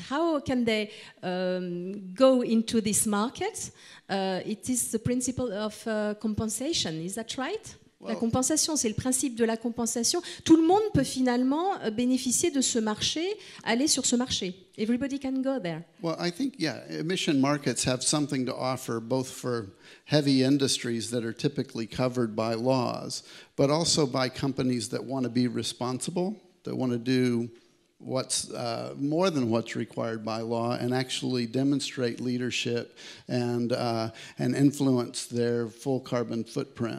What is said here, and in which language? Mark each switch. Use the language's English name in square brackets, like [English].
[English] How can they go into this market? It is the principle of compensation, is that right? [French] La compensation, c'est le principe de la compensation. Tout le monde peut finalement bénéficier de ce marché, aller sur ce marché. [English] Everybody can go there. Well, I think, yeah, emission markets have something to offer both for heavy industries that are typically covered by laws, but also by companies that want to be responsible, that want to do what's more than what's required by law and actually demonstrate leadership and influence their full carbon footprint.